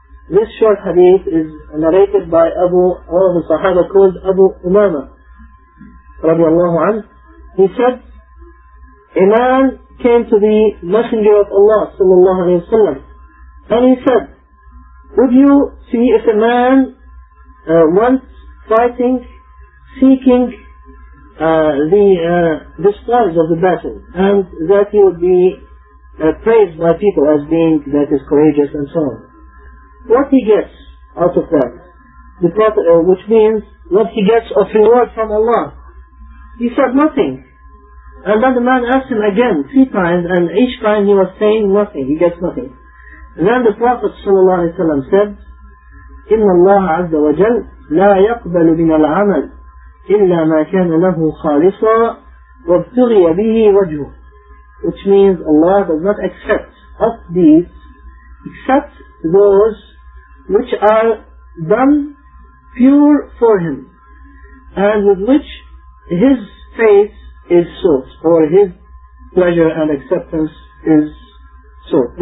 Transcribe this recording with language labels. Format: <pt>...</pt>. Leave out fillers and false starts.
<en>This short hadith is narrated by one of the Sahaba called Abu Umama radiallahu anhu. He said, a man came to the Messenger of Allah sallallahu alayhi wa sallam, and he said, would you see if a man wants fighting, seeking the prize of the battle, and that he would be praised by people as being that is courageous and so on. What he gets out of that, which means what he gets of reward from Allah. He said nothing. And then the man asked him again three times, and each time he was saying nothing, he gets nothing.</en> <ar>And then the Prophet sallallahu alaihi wasallam said, إِنَّ اللَّهَ عَزَّ وَجَلَّ لَا يَقْبَلُ مِنَ الْعَمَلِ إِلَّا مَا كَانَ لَهُ خَالِصًا وَابْتُغِيَ بِهِ وَجْهُ.</ar> <en>Which means Allah does not accept of deeds except those which are done pure for Him and with which His faith is sought, or His pleasure and acceptance is sought.</en>